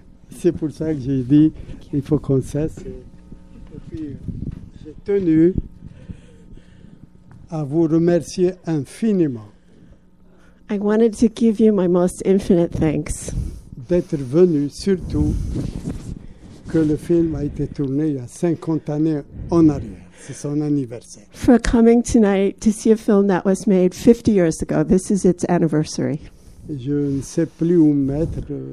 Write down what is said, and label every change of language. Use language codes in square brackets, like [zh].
[fr] C'est pour ça que j'ai dit il faut qu'on cesse. Et puis, j'ai tenu à vous remercier infiniment. [en] I wanted to give you my most infinite thanks. [fr] D'être venu, surtout que le film a été tourné il y a 50 années en arrière. C'est son anniversaire. [en] For coming tonight to see a film that was made 50 years ago. This is its anniversary. [fr] Je ne sais plus où mettre.